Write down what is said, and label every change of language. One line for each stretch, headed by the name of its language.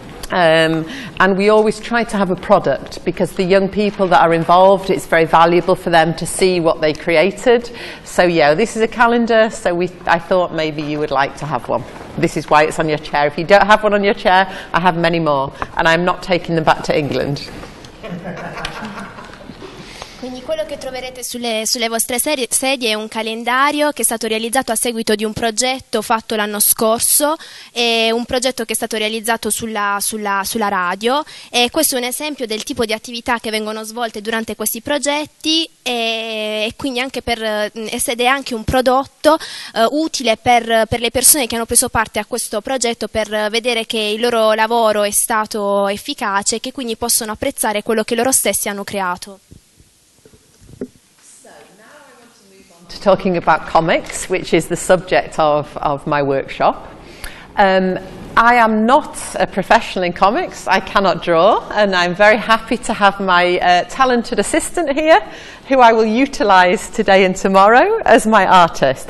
English: And we always try to have a product because the young people that are involved, it's very valuable for them to see what they created. So yeah, this is a calendar, so I thought maybe you would like to have one. This is why it's on your chair. If you don't have one on your chair, I have many more, and I'm not taking them back to England.
Italian: Quindi quello che troverete sulle vostre sedie è un calendario che è stato realizzato a seguito di un progetto fatto l'anno scorso, è un progetto che è stato realizzato sulla radio, e questo è un esempio del tipo di attività che vengono svolte durante questi progetti, e quindi anche ed è anche un prodotto utile per le persone che hanno preso parte a questo progetto, per vedere che il loro lavoro è stato efficace e che quindi possono apprezzare quello che loro stessi hanno creato.
English: To talking about comics, which is the subject of my workshop. I am not a professional in comics. I cannot draw, and I'm very happy to have my talented assistant here, who I will utilize today and tomorrow as my artist.